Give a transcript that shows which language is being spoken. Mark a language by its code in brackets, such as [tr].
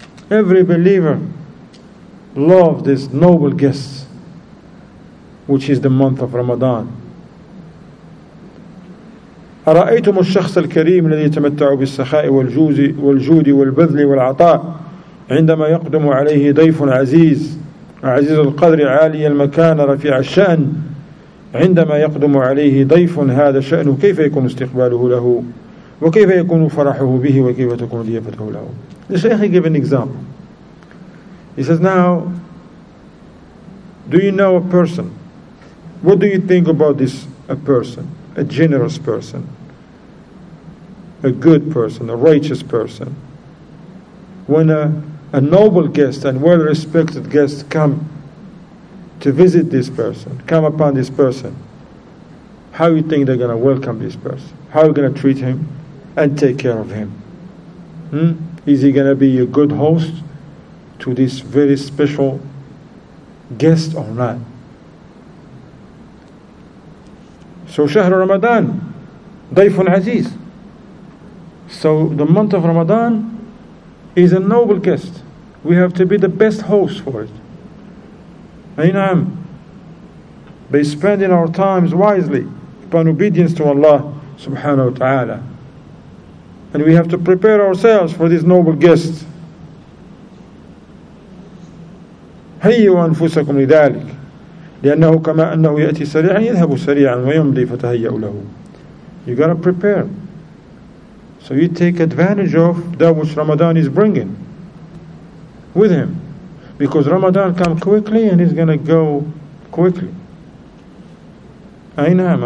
[en] Every believer loves this noble guest, which is the month of Ramadan. [ar] أرأيتم الشخص الكريم الذي يتمتع بالسخاء والجود والبذل والعطاء عندما يقدم عليه ضيف عزيز عزيز القدر عالي المكان رفيع الشأن عندما يقدم عليه ضيف هذا الشأن كيف يكون استقباله له وكيف يكون فرحه به وكيف تكون ضيافته له. [en] The Shaykh gave an example. He says, now do you know a person? What do you think about this a person? A generous person, a good person, a righteous person. When a noble guest and well-respected guest come to visit this person, come upon this person, how you think they're going to welcome this person? How are you going to treat him and take care of him? Is he going to be a good host to this very special guest or not? So [ar] شهر رمضان ضيف عزيز. [en] So the month of Ramadan is a noble guest. We have to be the best host for it. Aynam. By spending our times wisely upon obedience to Allah subhanahu wa ta'ala. And we have to prepare ourselves for this noble guest. [ar] هيوا أنفسكم لذلك لأنه كما أنه يأتي سريعا يذهب سريعا ويمضي فتهيأ له. [en] You gotta prepare. So you take advantage of that which Ramadan is bringing with him, because Ramadan come quickly and he's going to go quickly. Aynam.